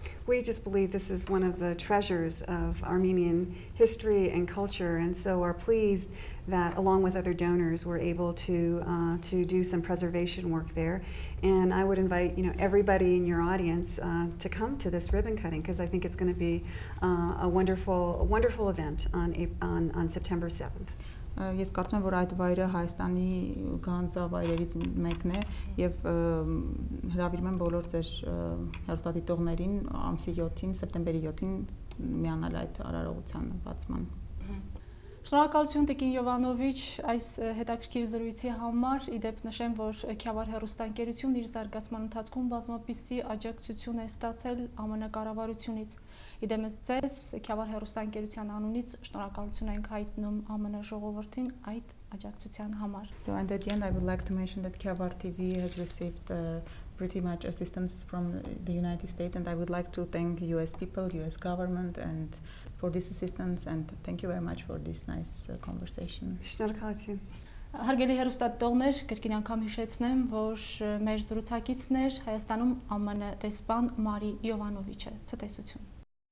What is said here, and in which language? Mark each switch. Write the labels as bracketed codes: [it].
[en] We just believe this is one of the treasures of Armenian history and culture, and so are pleased that along with other donors were able to do some preservation work there, and I would invite, you know, everybody in your audience to come to this ribbon cutting, because I think it's going to be a wonderful event on September 7th. [hy] Ես կարծում եմ, որ այդ վայրը Հայաստանի գանձավայրերից մեկն է, եւ հրավիրում եմ բոլոր ձեր հեռուստադիտողներին ամսի 7-ին, սեպտեմբերի 7-ին միանալ այդ արարողության բացման։ Շնորհակալություն Տիկին Յովանովիչ այս հետաքրքիր զրույցի համար։ Ի դեպ նշեմ, որ Քյավար հեռուստաընկերությունն իր զարգացման ընթացքում բազմապիսի աջակցություն է ստացել ԱՄՆ-կառավարությունից։ Ի դեպ ձեզ Քյավար հեռուստաընկերության անունից շնորհակալություն ենք հայտնում ԱՄՆ ժողովրդին այդ աջակցության համար։ [en] So at the end I would like to mention that Kyavar TV has received pretty much assistance from the United States, and I would like to thank US people, US government, and for this assistance, and thank you very much for this nice conversation. [hy] Շնորհակալություն։ Հարգելի հեռուստատողներ, կրկին անգամ հիշեցնեմ, որ մեր զրուցակիցներ Հայաստանում ԱՄՆ դեսպան Մարի Յովանովիչը, ցտեսություն։